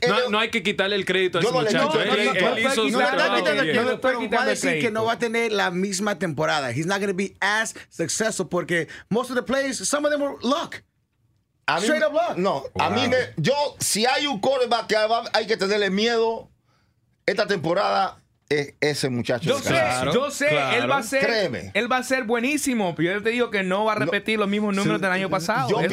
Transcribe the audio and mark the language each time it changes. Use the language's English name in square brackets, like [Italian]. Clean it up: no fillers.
[Spanish] No hay que quitarle el crédito a ese muchacho. No voy a decir que no va a tener la misma temporada. [English] He's not going to be as successful porque most of the plays, some of them were luck. [Spanish] Si hay un quarterback que hay que tenerle miedo esta temporada, es ese muchacho. Yo sé, él va a ser. Créeme. Él va a ser buenísimo. Pero yo te digo que no va a repetir los mismos números del año pasado.